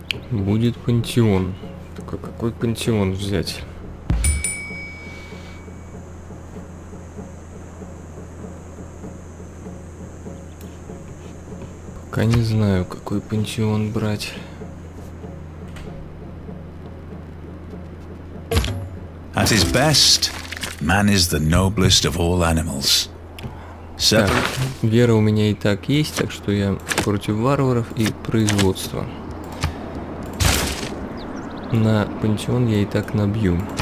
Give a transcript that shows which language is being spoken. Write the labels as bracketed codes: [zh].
[ru] Будет пантеон. Только какой пантеон взять? Пока не знаю, какой пантеон брать. [en] At his best, man is the noblest of all animals. [ru] Так, вера у меня и так есть, так что я против варваров и производства. На пантеон я и так набью.